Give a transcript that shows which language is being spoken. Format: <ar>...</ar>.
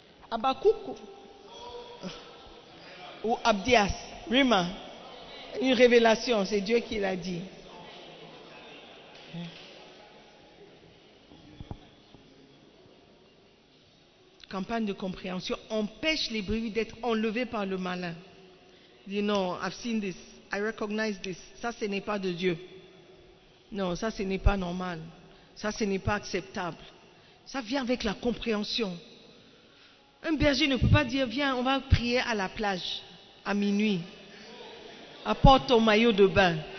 <fr>Habakkuk ou Abdias? Rima. Une révélation, c'est Dieu qui l'a dit. Campagne de compréhension empêche les brebis d'être enlevées par le malin. Dis non,</fr> <en>I've seen this, I recognize this.</en> <fr>Ça, ce n'est pas de Dieu. Non, ça, ce n'est pas normal. Ça, ce n'est pas acceptable. Ça vient avec la compréhension. Un berger ne peut pas dire, viens, on va prier à la plage, à minuit. Apporte ton maillot de bain.</fr>